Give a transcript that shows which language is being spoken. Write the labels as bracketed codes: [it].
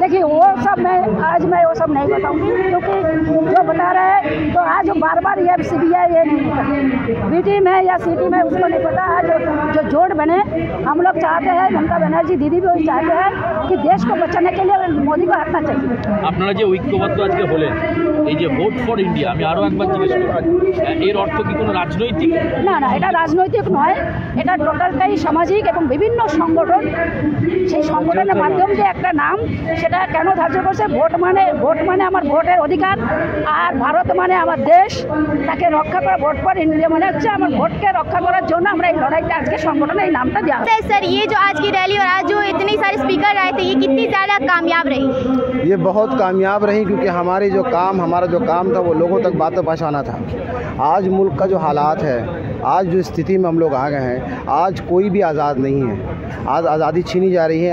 [hi] देखिए वो सब मैं आज मैं वो सब नहीं बताऊंगी, क्योंकि जो बता रहे हैं तो आज बार बार ये सीबीआई ये बीटी में या सीटी में उसको नहीं पता। आज जो जोड़ बने, हम लोग चाहते हैं, ममता बनर्जी दीदी भी चाहते हैं कि देश को बचाने के लिए मोदी को हटना चाहिए। अपना ऐक्यबद्ध आज के बोले वोट फॉर इंडिया, [bn] আমি আরো একবার জিজ্ঞেস করছি, এর অর্থ কি কোনো রাজনৈতিক? না না, এটা রাজনৈতিক নয়, এটা টোটালটাই সামাজিক এবং বিভিন্ন সংগঠন, সেই সংগঠনের মাধ্যম দিয়ে একটা নাম সেটা কেন ধার্য করছে। ভোট মানে, ভোট মানে আমার ভোটের অধিকার, আর ভারত মানে আমার দেশ, তাকে রক্ষা করা, ভোট ফর ইন্ডিয়া মানে হচ্ছে আমার ভোটকে রক্ষা করার জন্য আমরা এই লড়াইটা আজকে সংগঠনে এই নামটা দিয়া। [hi] স্যার স্যার ये जो आज की रैली और आज जो इतने सारे स्पीकर आए थे, ये कितनी ज्यादा कामयाब रही? ये बहुत कामयाब रही, क्योंकि हमारे जो काम, हमारा जो काम था वो लोगों तक बातें पहुँचाना था। आज मुल्क का जो हालात है, आज जो स्थिति में हम लोग आ गए हैं, आज कोई भी आज़ाद नहीं है, आज आज़ादी छीनी जा रही है।